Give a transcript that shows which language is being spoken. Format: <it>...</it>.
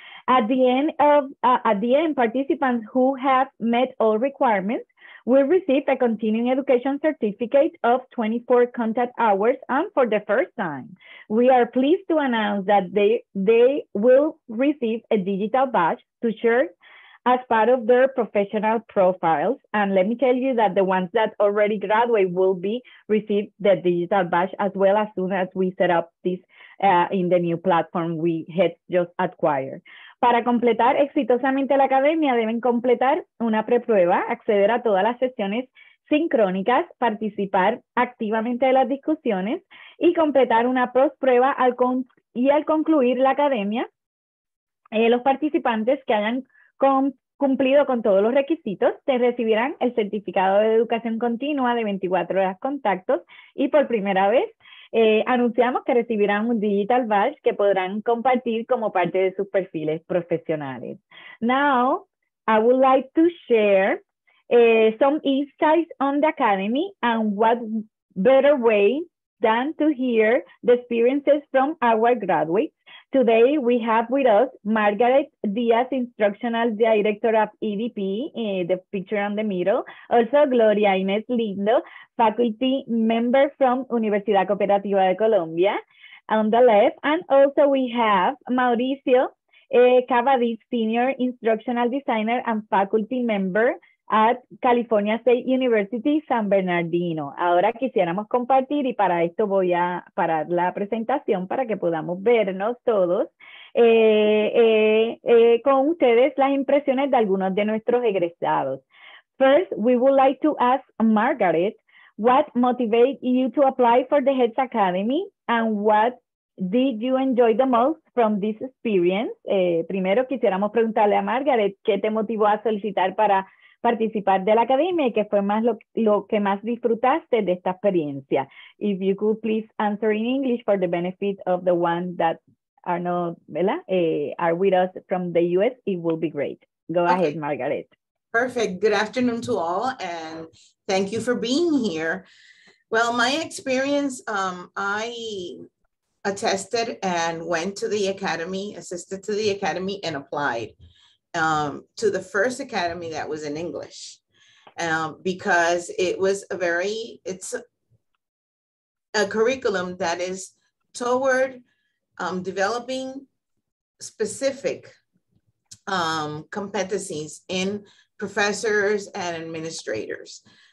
<en>At the end of participants who have met all requirements will receive a continuing education certificate of 24 contact hours, and for the first time, we are pleased to announce that they will receive a digital badge to share as part of their professional profiles. And let me tell you that the ones that already graduate will be received the digital badge as well as soon as we set up this in the new platform we had just acquired.</en> <es>Para completar exitosamente la academia, deben completar una preprueba, acceder a todas las sesiones sincrónicas, participar activamente de las discusiones y completar una postprueba al concluir la academia. Los participantes que hayan cumplido con todos los requisitos te recibirán el certificado de educación continua de 24 horas contactos y por primera vez anunciamos que recibirán un digital badge que podrán compartir como parte de sus perfiles profesionales.</es> <en>Now, I would like to share some insights on the academy, and what better way than to hear the experiences from our graduates. Today, we have with us Margaret Diaz, Instructional Director of EDP, the picture on the middle. Also, Gloria Inés Lindo, faculty member from Universidad Cooperativa de Colombia, on the left. And also, we have Mauricio Cavadiz, Senior Instructional Designer and faculty member at California State University, San Bernardino.</en> <es>Ahora quisiéramos compartir, y para esto voy a parar la presentación para que podamos vernos todos con ustedes las impresiones de algunos de nuestros egresados.</es> <en>First, we would like to ask Margaret, what motivated you to apply for the HETS Academy and what did you enjoy the most from this experience?</en> <es>Primero, quisiéramos preguntarle a Margaret, ¿qué te motivó a solicitar para participar de la academia y qué fue más lo que más disfrutaste de esta experiencia?</es> <en>If you could please answer in English for the benefit of the ones that are not, ¿verdad? Are with us from the US, it will be great. Go ahead, Margaret. Perfect. Good afternoon to all, and thank you for being here. Well, my experience, I attested and went to the academy, assisted to the academy, and applied to the first academy that was in English, because it was a very, it's a curriculum that is toward developing specific competencies in professors and administrators.</en>